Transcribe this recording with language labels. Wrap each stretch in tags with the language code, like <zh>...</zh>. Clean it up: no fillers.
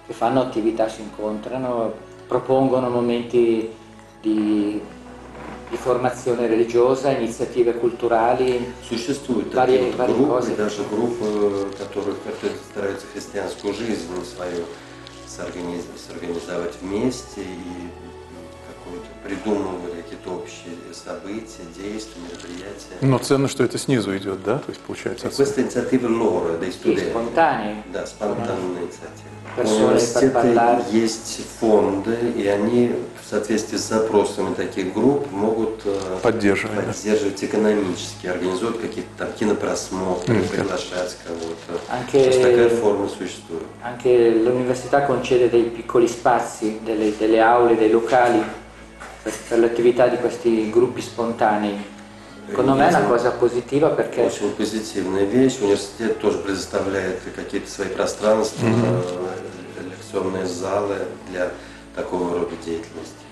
<it>Che fanno attività, si incontrano, propongono momenti di formazione religiosa, iniziative culturali, varie gruppi, cose.</it> <ru>Даже группы, которые стараются христианскую жизнь свою сорганизовать вместе и какую-то придумывают какие-то общие события, действия, мероприятия. Но ценно, что это снизу идет, да? То есть получается.</ru> <it>Questa iniziativa loro dei studenti.</it> <ru>Спонтанные. Да, спонтанные инициативы. У университета есть фонды, и они соответствии с запросами таких групп могут поддерживать экономически, организовывать какие-то там кинопросмотры, приглашать кого-то. То есть такая форма существует.</ru> <it>Anche l'università concede dei piccoli spazi, delle aule, dei locali per l'attività di questi gruppi spontanei. Secondo me è una cosa positiva perché.</it> <ru>Очень позитивная вещь. Университет тоже предоставляет какие-то свои пространства, лекционные залы для такого рода деятельности.</ru>